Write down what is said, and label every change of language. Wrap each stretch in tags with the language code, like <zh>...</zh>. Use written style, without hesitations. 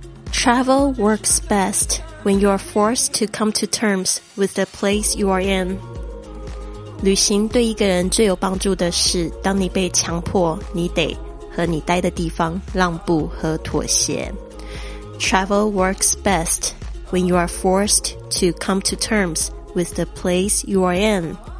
<en>Travel works best when you are forced to come to terms with the place you are in.</en> <zh>旅行对一个人最有帮助的是当你被强迫，你得和你待的地方让步和妥协。</zh> <en>Travel works best when you are forced to come to terms with the place you are in.</en>